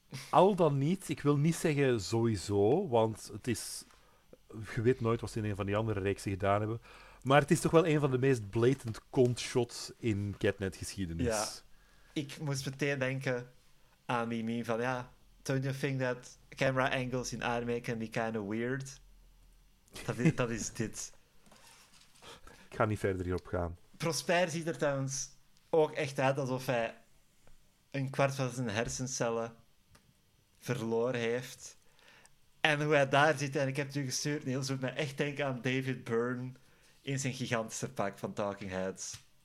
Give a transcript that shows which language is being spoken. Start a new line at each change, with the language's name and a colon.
Dutch: Al dan niet. Ik wil niet zeggen sowieso, want het is... Je weet nooit wat ze in een van die andere reeksen gedaan hebben. Maar het is toch wel een van de meest blatant kont-shots in Catnet-geschiedenis. Ja. Ik moest meteen denken aan die meme van...
English: Ja, don't you think that camera angles in anime can be kind of weird?
Dutch: Dat is dit. Ik ga niet verder hierop gaan. Prosper ziet er trouwens ook echt uit alsof hij een kwart van zijn hersencellen verloren heeft. En hoe hij daar zit, en ik heb het u gestuurd, Niels, doet mij echt denken aan David Byrne in zijn gigantische pak van Talking Heads.